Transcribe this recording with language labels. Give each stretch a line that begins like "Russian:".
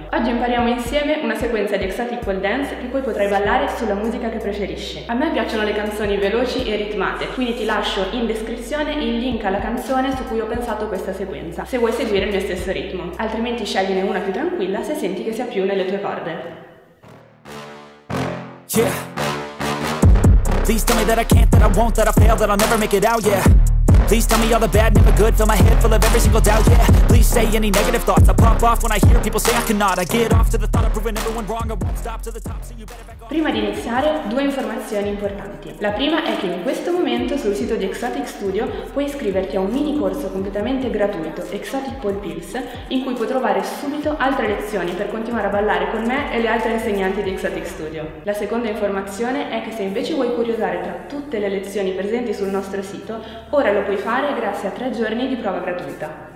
Italian: Oggi impariamo insieme una sequenza di Exotic Pole Dance che poi potrai ballare sulla musica che preferisci. A me piacciono le canzoni veloci e ritmate, quindi ti lascio in descrizione il link alla canzone su cui ho pensato questa sequenza, se vuoi seguire il mio stesso ritmo. Altrimenti scegliene una più tranquilla se senti che sia più nelle tue corde.
English: Yeah. Please tell me that I can't, that I won't, that I fail, that I'll never make it out, yeah. Please tell me all the bad, never good, fill my head full of every single doubt, yeah. Please say any negative thoughts, I pop off when I hear people say I cannot. I get off to the thought of proving everyone wrong, I won't stop to the top, so you better back off.
Italian: Prima di iniziare, due informazioni importanti. La prima è che in questo momento sul sito di Exotic Studio puoi iscriverti a un mini corso completamente gratuito, Exotic Pole Pills, in cui puoi trovare subito altre lezioni per continuare a ballare con me e le altre insegnanti di Exotic Studio. La seconda informazione è che se invece vuoi curiosare tra tutte le lezioni presenti sul nostro sito, ora lo puoi fare grazie a 3 giorni di prova gratuita.